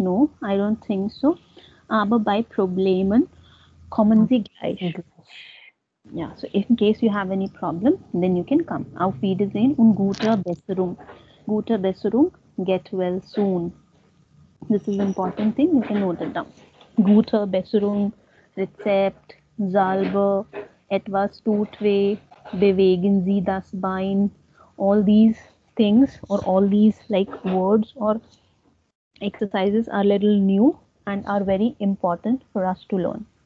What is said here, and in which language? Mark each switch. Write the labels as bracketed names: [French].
[English] No, I don't think so. [German] Aber bei Problemen kommen Sie gleich. [English] Yeah, so in case you have any problem, then you can come. [German] Auf Wiedersehen und gute Besserung. [English] Gute Besserung, get well soon. This is an important thing, you can note it down. [German] Gute Besserung. Rezept, Salbe, etwas tut weh, bewegen Sie das Bein. [English] All these things or all these like words or exercises are little new and are very important for us to learn.